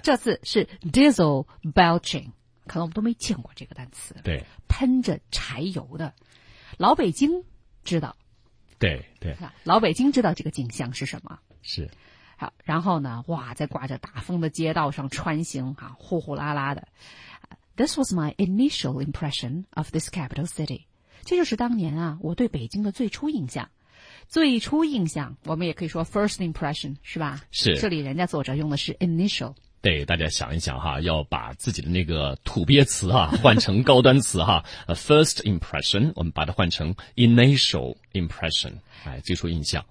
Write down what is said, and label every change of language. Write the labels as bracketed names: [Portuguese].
[Chinese] 这次是 [English] diesel belching， [Chinese] 可能我们都没见过这个单词。对，喷着柴油的，老北京知道。对对，老北京知道这个景象是什么。是，然后呢，哇，在刮着大风的街道上穿行啊，呼呼啦啦的。 [English] This was my initial impression of this capital city. [Chinese] 这就是当年啊，我对北京的最初印象。最初印象，我们也可以说 first impression， 是吧？是。这里人家作者用的是 initial。对，大家想一想哈，要把自己的那个土鳖词啊换成高端词哈first impression， 我们把它换成 initial impression， 哎，最初印象。